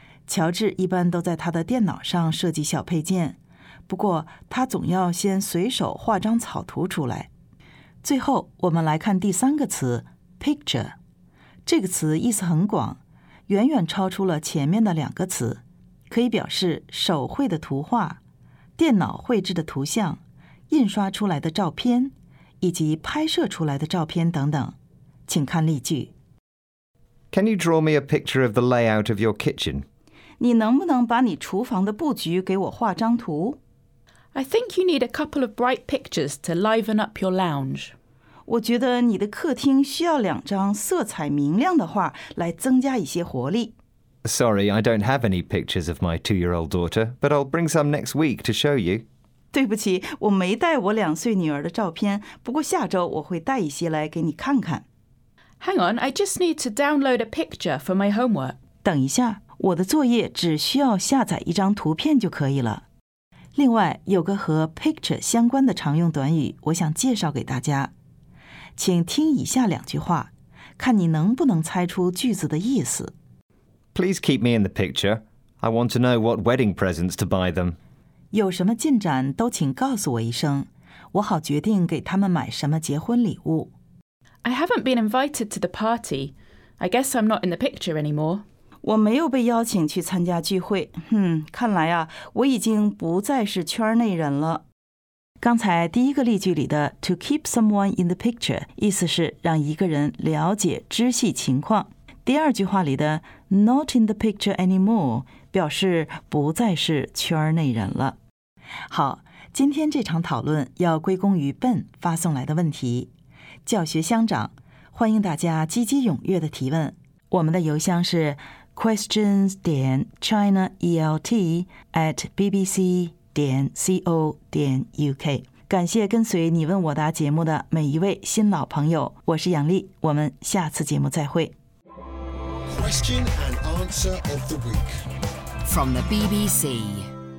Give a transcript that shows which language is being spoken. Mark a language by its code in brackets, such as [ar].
[zh] 乔治一般都在他的电脑上设计小配件，不过他总要先随手画张草图出来。最后，我们来看第三个词 picture。这个词意思很广，远远超出了前面的两个词，可以表示手绘的图画。电脑绘制的图像、印刷出来的照片以及拍摄出来的照片等等。请看例句。 [en] Can you draw me a picture of the layout of your kitchen? [zh] 你能不能把你厨房的布局给我画张图？ [en] I think you need a couple of bright pictures to liven up your lounge. [zh] 我觉得你的客厅需要两张色彩明亮的画来增加一些活力。 [en] Sorry, I don't have any pictures of my two-year-old daughter, but I'll bring some next week to show you. [zh] 对不起，我没带我两岁女儿的照片，不过下周我会带一些来给你看看。 [en] Hang on, I just need to download a picture for my homework. [zh] 等一下，我的作业只需要下载一张图片就可以了。另外，有个和 picture 相关的常用短语，我想介绍给大家。请听以下两句话，看你能不能猜出句子的意思。 [en] Please keep me in the picture. I want to know what wedding presents to buy them. [zh] 有什么进展都请告诉我一声，我好决定给他们买什么结婚礼物。 [en] I haven't been invited to the party. I guess I'm not in the picture anymore. [zh] 我没有被邀请去参加聚会。看来啊，我已经不再是圈内人了。刚才第一个例句里的 [en] to keep someone in the picture [zh] 意思是让一个人了解知悉情况。第二句话里的 [en] not in the picture anymore [zh] 表示不再是圈内人了。好，今天这场讨论要归功于 Ben 发送来的问题。教学相长，欢迎大家积极踊跃的提问，我们的邮箱是 questions.chinaelt@bbc.co.uk。感谢跟随你问我答节目的每一位新老朋友，我是杨丽，我们下次节目再会。 [en] Question and answer of the week from the BBC.